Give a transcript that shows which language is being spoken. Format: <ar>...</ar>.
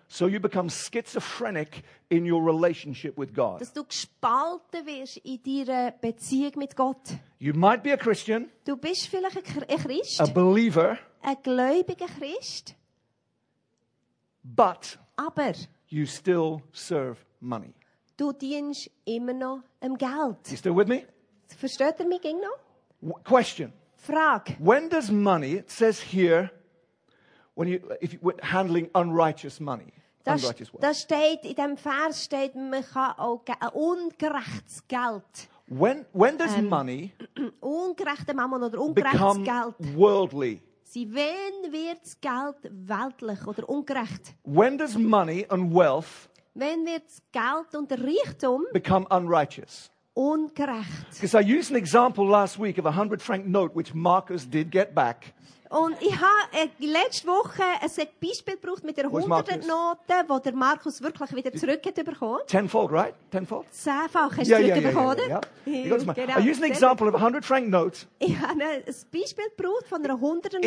<en>So you become schizophrenic in your relationship with God.</en> <de>Dass du gespalten wirst in deiner Beziehung mit Gott.</de> <en>You might be a Christian.</en> <de>Du bist vielleicht ein Christ.</de> <en>A believer.</en> <de>Ein gläubiger Christ.</de> <en>But.</en> <de>Aber.</de> <en>You still serve money.</en> <de>Du dienst immer noch im Geld.</de> <en>You still with me?</en> <de>Versteht ihr mich ging noch?</de> <en>Question.</en> <de>Frage.</de> <en>When does money, it says here, when you, if you, handling unrighteous money,</en> <de>das,</de> <en>unrighteous</en> <de>wealth. Das steht, in dem Vers steht, man kann auch ungerechtes Geld.</de> <en>When does money,</en> <de>ungerechte Mammon oder ungerechtes Geld,</de> <en>become worldly?</en> <de>Sie, wenn wird das Geld weltlich oder ungerecht?</de> <en>When does money and wealth,</en> <de>wenn wird das Geld und der Reichtum</de> <en>become unrighteous?</en> <de>Ungerecht.</de> <en>Because I used an example last week of a 100-franc note, which Marcus did get back.</en> <de>Und ich habe letzte Woche ein Beispiel gebraucht mit der 100-Note, wo der Markus wirklich wieder zurück hat bekommen.</de> <en>Tenfold, right? Tenfold?</en> <de>Zehnfach hast du zurückbekommen, oder?</de> <en>Ja. I used an example of a 100-franc note.</en> <de>Ich habe ein Beispiel gebraucht von einer 100-Note.</de>